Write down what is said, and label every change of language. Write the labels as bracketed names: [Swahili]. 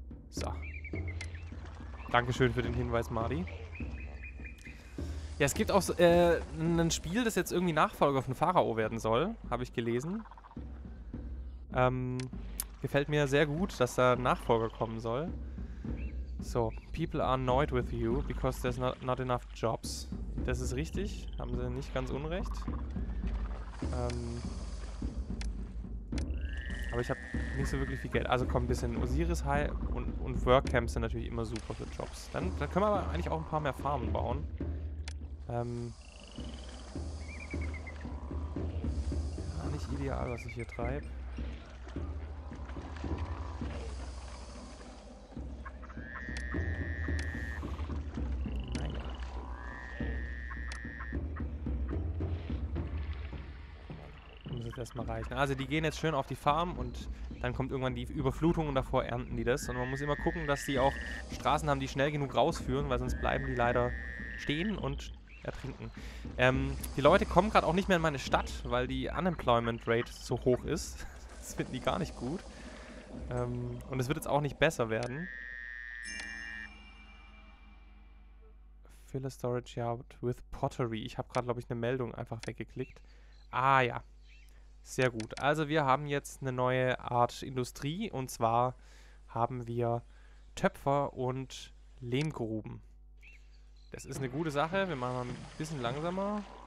[German] So. Dankeschön für den Hinweis, Mardi. Ja, es gibt auch ein Spiel, das jetzt irgendwie Nachfolger von Pharao werden soll, habe ich gelesen. Gefällt mir sehr gut, dass da ein Nachfolger kommen soll. [English] So, people are annoyed with you because there's not enough jobs. [German] Das ist richtig, haben sie nicht ganz unrecht. Aber ich habe nicht so wirklich viel Geld. Also komm, ein bisschen Osiris High und Workcamps sind natürlich immer super für Jobs. Dann können wir aber eigentlich auch ein paar mehr Farmen bauen. Ja, nicht ideal, was ich hier treibe. Erstmal reichen. Also die gehen jetzt schön auf die Farm und dann kommt irgendwann die Überflutung und davor ernten die das. Und man muss immer gucken, dass die auch Straßen haben, die schnell genug rausführen, weil sonst bleiben die leider stehen und ertrinken. Die Leute kommen gerade auch nicht mehr in meine Stadt, weil die Unemployment Rate so hoch ist. Das finden die gar nicht gut. Und es wird jetzt auch nicht besser werden. [English] Fill a storage yard with pottery. [German] Ich habe gerade, glaube ich, eine Meldung einfach weggeklickt. Ah ja. Sehr gut. Also wir haben jetzt eine neue Art Industrie und zwar haben wir Töpfer und Lehmgruben. Das ist eine gute Sache. Wir machen mal ein bisschen langsamer.